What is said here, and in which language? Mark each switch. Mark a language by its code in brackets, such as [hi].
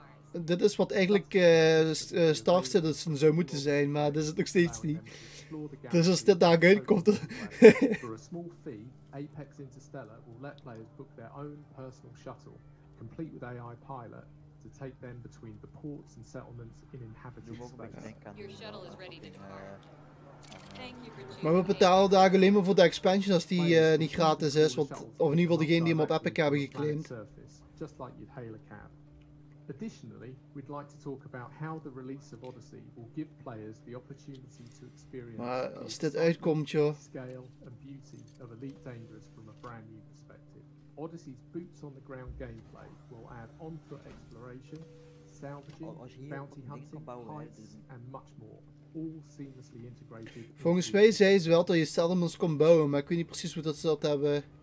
[nl] Dit is wat eigenlijk Star Citizen zou moeten zijn, maar dit is het nog steeds niet. Dus als dit daar uitkomt. [en] For a small fee, Apex Interstellar will let players book their own personal shuttle, complete with AI pilot. To take them between the ports and settlements in inhabited space. Your shuttle is ready to depart. Thank you for joining. [nl] Maar we betalen daar alleen maar voor de expansion als die niet gratis is, want of in ieder geval degene die hem op Epic hebben geclaimd. [en] Just like you'd hail a cab. Additionally, we'd like to talk about how the release of Odyssey will give players the opportunity to experience. [nl] Maar als dit uitkomt, joh. [en] Scale and beauty of Elite Dangerous from a brand new perspective. Odyssey's boots on the ground gameplay. Add on-foot exploration, salvaging, bounty hunting, heights, and much more. All seamlessly integrated. [nl] Volgens mij zei ze wel dat je settlements kon bouwen, maar ik weet niet precies hoe dat ze dat hebben.